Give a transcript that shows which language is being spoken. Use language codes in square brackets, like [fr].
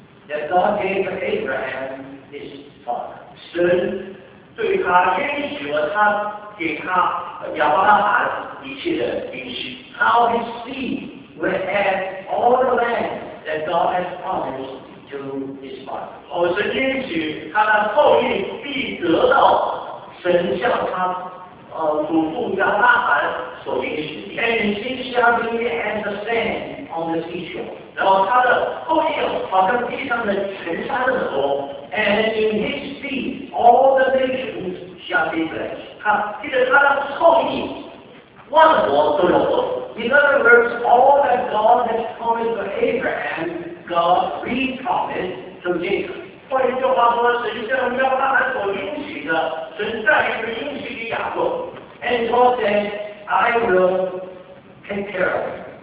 [en] That God gave Abraham his father. [zh] 神对他应许了他给他亚伯拉罕一切的应许。 [en] How his seed will have all the land that God has promised to his father. [zh] 神应许他的后裔必得到神向他祖父亚伯拉罕所应许。 [en] And he shall be as the sand on the seashore. [zh] 然后他的后裔好像地上的尘沙那么多 ， [en] and in his seed all the nations shall be blessed。 [zh] 他记得他的后裔万国都有福。 [en] In other words, all that God has promised to Abraham, God re-promised to Jacob。 [zh] 换一句话说，神向亚伯拉罕所应许的，神再一次应许给雅各。 [en] And God said, I will take care of you.